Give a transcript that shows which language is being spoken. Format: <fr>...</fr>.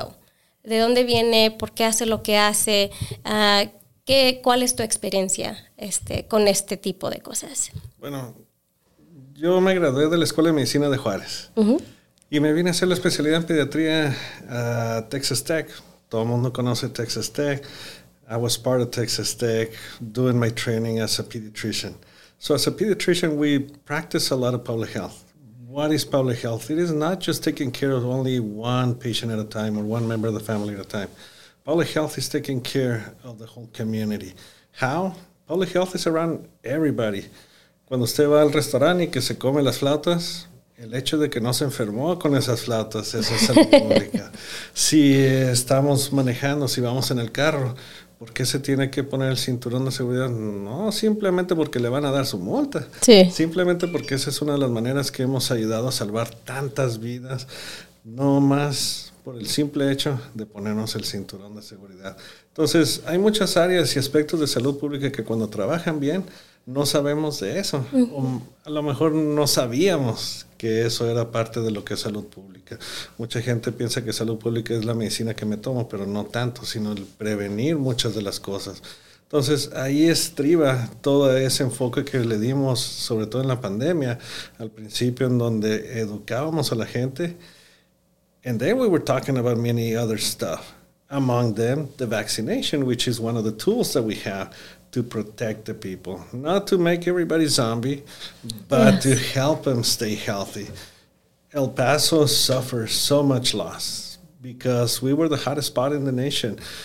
<es>O, de dónde viene, por qué hace lo que hace, cuál es tu experiencia con este tipo de cosas. Bueno, yo me gradué de la Escuela de Medicina de Juárez. Y me vine a hacer la especialidad en pediatría a Texas Tech. Todo el mundo conoce Texas Tech.</es> <en>I was part of Texas Tech doing my training as a pediatrician. So as a pediatrician, we practice a lot of public health. What is public health? It is not just taking care of only one patient at a time or one member of the family at a time. Public health is taking care of the whole community. How? Public health is around everybody.</en> <es>Cuando usted va al restaurante y que se come las flautas, el hecho de que no se enfermó con esas flautas, eso es salud pública. Si estamos manejando, si vamos en el carro, ¿por qué se tiene que poner el cinturón de seguridad? No, simplemente porque le van a dar su multa. Sí. Simplemente porque esa es una de las maneras que hemos ayudado a salvar tantas vidas, no más por el simple hecho de ponernos el cinturón de seguridad. Entonces, hay muchas áreas y aspectos de salud pública que cuando trabajan bien, no sabemos de eso. O a lo mejor no sabíamos que eso era parte de lo que es salud pública. Mucha gente piensa que salud pública es la medicina que me tomo, pero no tanto, sino el prevenir muchas de las cosas. Entonces, ahí estriba todo ese enfoque que le dimos, sobre todo en la pandemia, al principio, en donde educábamos a la gente.</es> <en>And then we were talking about many other stuff. Among them, the vaccination, which is one of the tools that we have to protect the people, not to make everybody zombie, but yes, to help them stay healthy. El Paso suffered so much loss because we were the hottest spot in the nation.</en>